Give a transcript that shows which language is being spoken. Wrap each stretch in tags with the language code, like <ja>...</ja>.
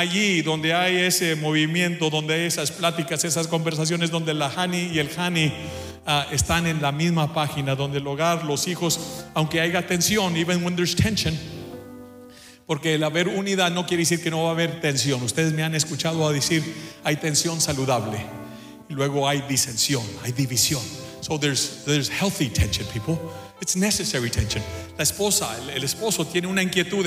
<es>Allí donde hay ese movimiento, donde hay esas pláticas, esas conversaciones, donde la Hani y el Hani están en la misma página, donde el hogar, los hijos, aunque haya tensión, even when there's tension. Porque el haber unidad no quiere decir que no va a haber tensión. Ustedes me han escuchado decir, hay tensión saludable y luego hay disensión, hay división.</es> <en>So there's healthy tension, people. It's necessary tension.</en> <es>La esposa, el esposo tiene una inquietud.</es>